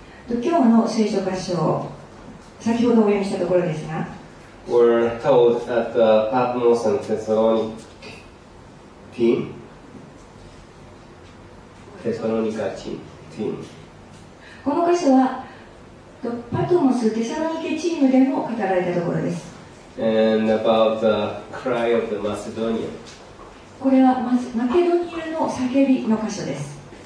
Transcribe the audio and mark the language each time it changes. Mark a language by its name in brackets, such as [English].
[Japanese] 今日の聖書箇所、先ほどお読みしたところですが、 [English] were told at the Patmos and Thessalonica team. Thessalonica team. [Japanese] この箇所はパトモス、テサロニケチームでも語られたところです。 [English] And about the cry of the Macedonian. [Japanese] これはまずマケドニアの叫びの箇所です。